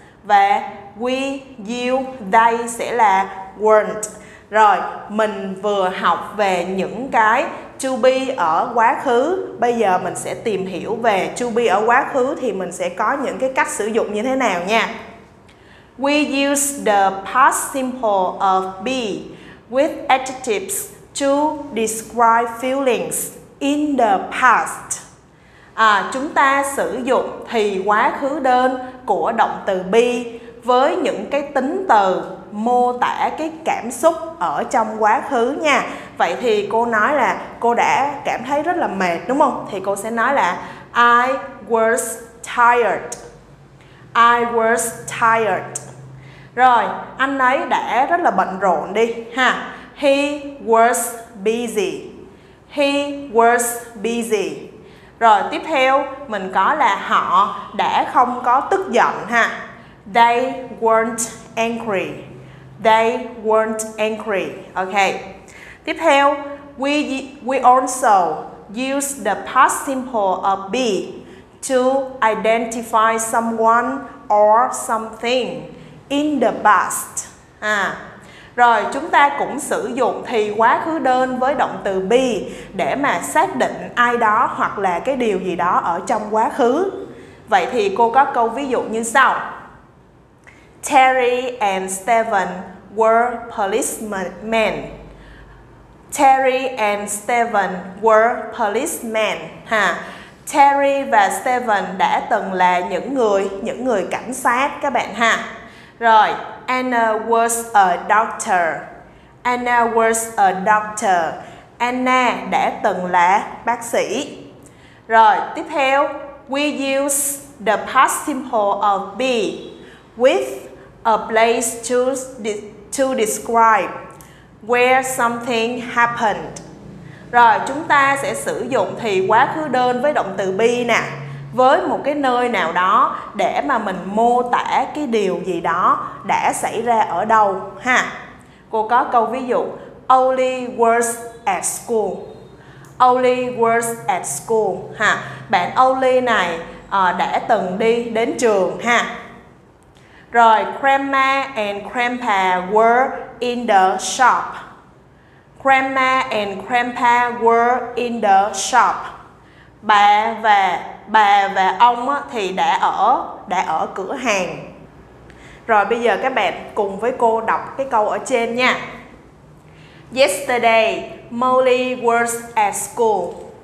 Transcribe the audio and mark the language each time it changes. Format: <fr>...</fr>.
<vi>Và</vi> <en>we, you, they</en> <vi>sẽ là</vi> <en>weren't.</en> <vi>Rồi, mình vừa học về những cái to be ở quá khứ. Bây giờ mình sẽ tìm hiểu về to be ở quá khứ thì mình sẽ có những cái cách sử dụng như thế nào nha.</vi> <en>We use the past simple of be with adjectives to describe feelings in the past.</en> <vi>À, chúng ta sử dụng thì quá khứ đơn của động từ be với những cái tính từ mô tả cái cảm xúc ở trong quá khứ nha. Vậy thì cô nói là cô đã cảm thấy rất là mệt đúng không? Thì cô sẽ nói là</vi> <en>I was tired. I was tired.</en> <vi>Rồi, anh ấy đã rất là bận rộn đi ha.</vi> <en>He was busy. He was busy.</en> <vi>Rồi, tiếp theo mình có là họ đã không có tức giận ha.</vi> <en>They weren't angry. They weren't angry. Ok.</en> <vi>Tiếp theo,</vi> <en>we also use the past simple of be to identify someone or something in the past. À.</en> <vi>Rồi, chúng ta cũng sử dụng thì quá khứ đơn với động từ be để mà xác định ai đó hoặc là cái điều gì đó ở trong quá khứ. Vậy thì cô có câu ví dụ như sau.</vi> <en>Terry and Steven were policemen. Terry and Steven were policemen. Ha.</en> <vi>Terry và Steven đã từng là những người cảnh sát các bạn ha.</vi> <en>Rồi, Anna was a doctor. Anna was a doctor.</en> <vi>Anna đã từng là bác sĩ. Rồi, tiếp theo,</vi> <en>we use the past simple of be with a place to describe where something happened.</en> <vi>Rồi, chúng ta sẽ sử dụng thì quá khứ đơn với động từ be nè. Với một cái nơi nào đó để mà mình mô tả cái điều gì đó đã xảy ra ở đâu ha. Cô có câu ví dụ.</vi> <en>Ollie was at school. only was at school</en> <vi>ha. Bạn only này đã từng đi đến trường ha.</vi> <en>Rồi grandma and grandpa were in the shop. Grandma and grandpa were in the shop.</en> <vi>Bà và ông thì đã ở cửa hàng. Rồi bây giờ các bạn cùng với cô đọc cái câu ở trên nha.</vi> <en>Yesterday, Molly was at school.</en>